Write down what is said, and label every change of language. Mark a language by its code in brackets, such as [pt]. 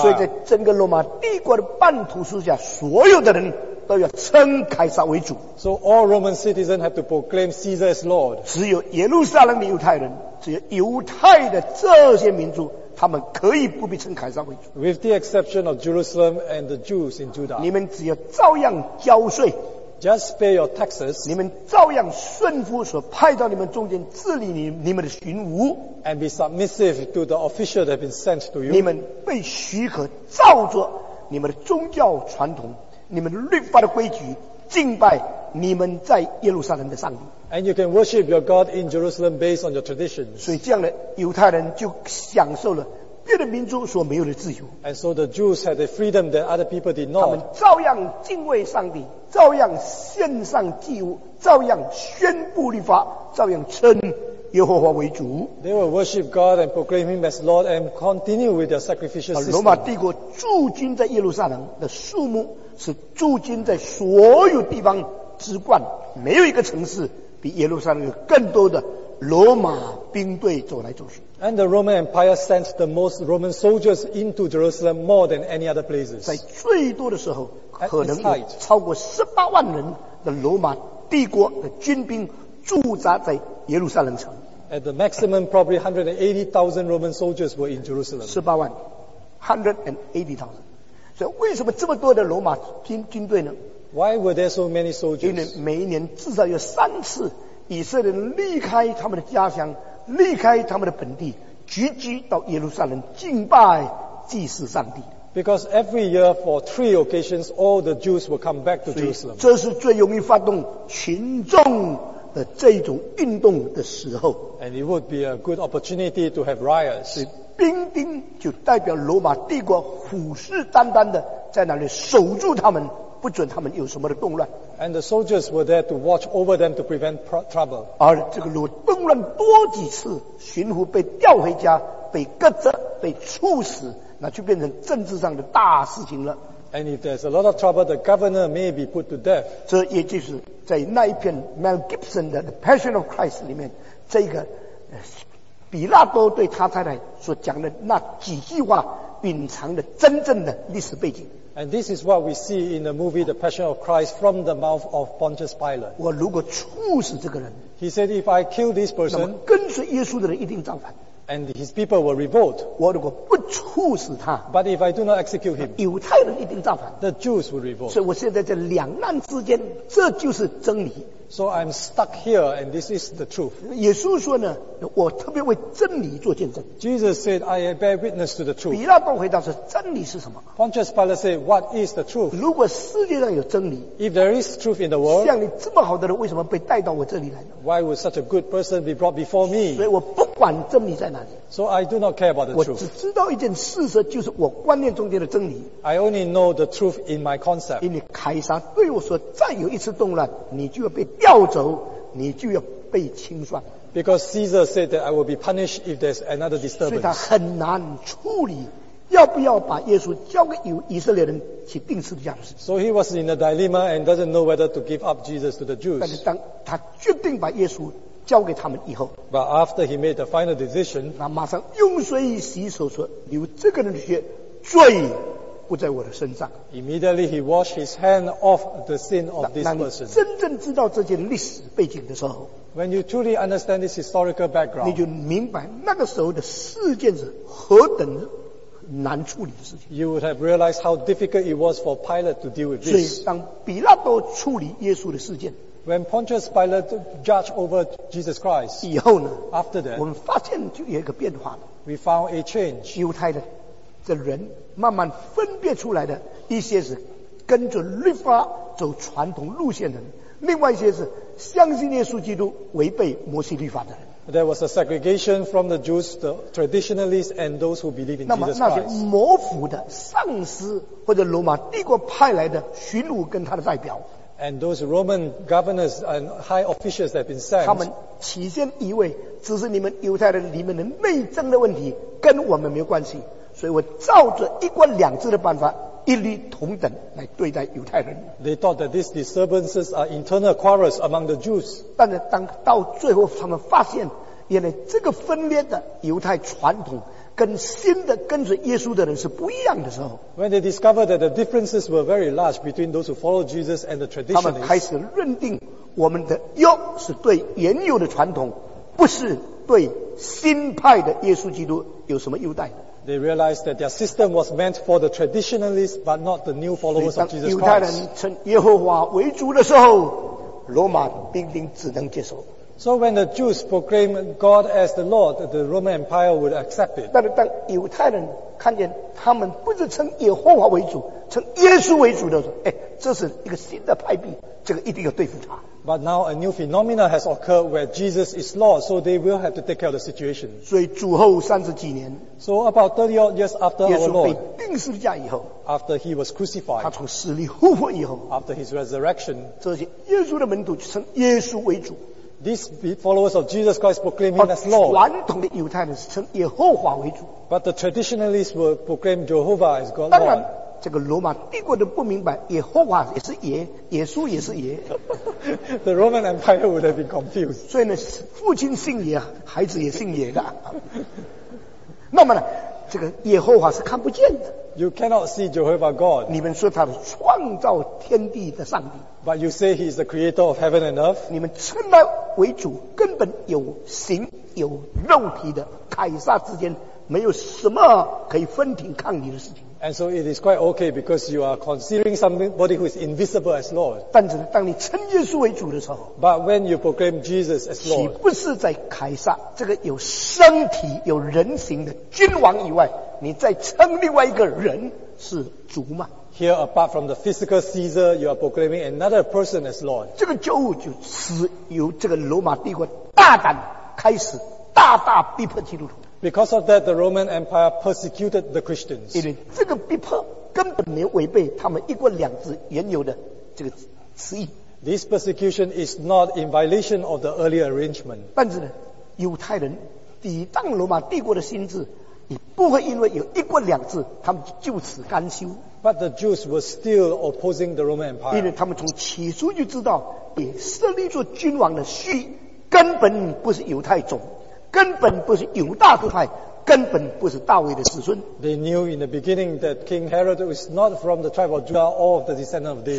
[zh] 所以在整个罗马帝国的版图之下，所有的人都要称凯撒为主。 [en] So all Roman citizens have to proclaim Caesar as Lord. [zh] 只有耶路撒冷的犹太人，只有犹太的这些民族，他们可以不必称凯撒为主。 [en] With the exception of Jerusalem and the Jews in Judah. [zh] 你们只要照样交税。 [en] Just pay your taxes. [zh] 你们照样顺服所派到你们中间治理你们的巡抚。 [en] And be submissive to the official that have been sent to you. [zh] 你们被许可照着你们的宗教传统、你们律法的规矩敬拜你们在耶路撒冷的上帝。 [en] And you can worship your God in Jerusalem based on your traditions. [zh] 所以这样的犹太人就享受了别的民族所没有的自由。 [en] And so the Jews had a freedom that other people did not. [zh] 他们照样敬畏上帝，照样献上祭物，照样宣布律法，照样称耶和华为主。 [en] They will worship God and proclaim Him as Lord and continue with their sacrificial system. [zh] 罗马帝国驻军在耶路撒冷的数目是驻军在所有地方之冠，没有一个城市比耶路撒冷有更多的罗马兵队走来走去。 [en] And the Roman Empire sent the most Roman soldiers into Jerusalem more than any other places. [zh] 在最多的时候，可能有超过18万人的罗马帝国的军兵驻扎在耶路撒冷城。 [en] At the maximum, probably 180,000 Roman soldiers were in Jerusalem. [zh] 18万 ,180,000. 所以为什么这么多的罗马军队呢 [en] ?Why were there so many soldiers? [zh] 因为每一年至少有三次以色列人离开他们的家乡，离开他们的本地，聚集到耶路撒冷敬拜祭祀上帝。 [en] Because every year for three occasions, all the Jews will come back to Jerusalem. [zh] 这是最容易发动群众的这种运动的时候。 [en] And it would be a good opportunity to have riots. [zh] 所以兵丁就代表罗马帝国虎视眈眈的在那里守住他们，不准他们有什么的动乱。 [en] And the soldiers were there to watch over them to prevent trouble. [zh] 而这个如果动乱多几次，巡抚被调回家，被革职，被处死，那就变成政治上的大事情了。 [en] And if there's a lot of trouble, the governor may be put to death. [zh] 这也就是在那一篇 Mel Gibson 的《The Passion of Christ》里面，这个比拉多对他太太所讲的那几句话，隐藏的真正的历史背景。 [en] And this is what we see in the movie The Passion of Christ from the mouth of Pontius Pilate. [zh] 我如果处死这个人， [en] He said, if I kill this person, [zh] 那么跟随耶稣的人一定造反。 [en] And his people will revolt. [zh] 我如果不处死他， [en] But if I do not execute him, [zh] 犹太人一定造反。 [en] The Jews will revolt. [zh] 所以我现在在两难之间，这就是真理。 [en] So I'm stuck here, and this is the truth. [zh] 耶稣说呢，我特别为真理做见证。 [en] Jesus said, I bear witness to the truth. [zh] 比拉多回答说，真理是什么？ [en] Pontius Pilate said, What is the truth? [zh] 如果世界上有真理， [en] If there is truth in the world, [zh] 像你这么好的人，为什么被带到我这里来呢？ [en] Why would such a good person be brought before me? [zh] 所以我不管真理在哪里。 [en] So I do not care about the truth. [zh] 我只知道一件事实，就是我观念中间的真理。 [en] I only know the truth in my concept. [zh] 因为凯撒对我说，再有一次动乱，你就要被调走，你就要被清算。 [en] Because Caesar said that I will be punished if there's another disturbance. [zh] 所以他很难处理，要不要把耶稣交给以色列人去钉十字架。 [en] So he was in a dilemma and doesn't know whether to give up Jesus to the Jews. [zh] 但是当他决定把耶稣交给他们以后， [en] But after he made the final decision, [zh] 那马上用水洗手说，流这个人的血，罪不在我的身上。 [en] Immediately he washed his hand off the sin of this person. [zh] 当你真正知道这件历史背景的时候， [en] When you truly understand this historical background, [zh] 你就明白那个时候的事件是何等难处理的事情。 [en] You would have realized how difficult it was for Pilate to deal with this. [zh] 所以当比拉多处理耶稣的事件， [en] When Pontius Pilate judged over Jesus Christ, [zh] 以后呢， [en] after that, [zh] 我们发现就有一个变化了。 [en] We found a change. [zh] 犹太的这人慢慢分辨出来的，一些是跟着律法走传统路线的人，另外一些是相信耶稣基督违背摩西律法的人。 [en] There was a segregation from the Jews, the traditionalists, and those who believe in Jesus Christ. [zh] 那么那些模糊的上司或者罗马帝国派来的巡抚跟他的代表。 [en] And those Roman governors and high officials that have been sent, [zh] 他们起先以为只是你们犹太人里面的内政的问题，跟我们没有关系，所以我照着一国两制的办法，一律同等来对待犹太人。 [en] They thought that these disturbances are internal quarrels among the Jews. [zh] 但是当到最后，他们发现原来这个分裂的犹太传统跟新的跟随耶稣的人是不一样的时候， [en] When they discovered that the differences were very large between those who follow Jesus and the traditionalists, [zh] 他们开始认定我们的约是对原有的传统，不是对新派的耶稣基督有什么优待。 [en] They realized that their system was meant for the traditionalists, but not the new followers of Jesus Christ. [zh] 犹太人称耶和华为主的时候，罗马兵丁只能接受。 [en] So when the Jews proclaim God as the Lord, the Roman Empire would accept it. [zh] 但是当犹太人看见他们不是称耶和华为主，称耶稣为主的时候，哎，这是一个新的派别，这个一定要对付他。 [en] But now a new phenomenon has occurred where Jesus is Lord, so they will have to take care of the situation. [zh] 所以主后三十几年， [en] So about 30 odd years after our Lord, [zh] 耶稣被钉十字架以后， [en] After he was crucified, [zh] 他从死里复活以后， [en] After his resurrection, [zh] 这些耶稣的门徒就称耶稣为主。 [en] These followers of Jesus Christ proclaim him as Lord. [zh] 传统的犹太人是称耶和华为主。 [en] But the traditionalists will proclaim Jehovah as God. [zh] 当然，这个罗马帝国都不明白，耶和华也是耶，耶稣也是耶。 [en] The Roman Empire would have been confused. [zh] 所以呢，父亲姓耶，孩子也姓耶的。那么呢，这个耶和华是看不见的。 [en] You cannot see Jehovah God. [zh] 你们说他是创造天地的上帝。 [en] But you say he is the creator of heaven and earth. [zh] 你们称他为主，根本有形有肉体的凯撒之间没有什么可以分庭抗礼的事情。 [en] And so it is quite okay because you are considering somebody who is invisible as Lord. [zh] 但是当你称耶稣为主的时候， [en] But when you proclaim Jesus as Lord, [zh] 岂不是在凯撒这个有身体有人形的君王以外，你在称另外一个人是主吗？ [en] Here, apart from the physical Caesar, you are proclaiming another person as Lord. [zh] 这个觉悟就使由这个罗马帝国大胆开始大大逼迫基督徒。 [en] Because of that, the Roman Empire persecuted the Christians. [zh] 因为这个逼迫根本没有违背他们一国两制原有的这个旨意。 [en] This persecution is not in violation of the earlier arrangement. [zh] 但是呢，犹太人抵挡罗马帝国的心智你不会因为有一国两制，他们就此甘休。 [en] But the Jews were still opposing the Roman Empire. [zh] 因为他们从起初就知道，你设立做君王的序根本不是犹太种，根本不是犹大支派，根本不是大卫的子孙。 [en] They knew in the beginning that King Herod was not from the tribe of Judah or the descendant of David.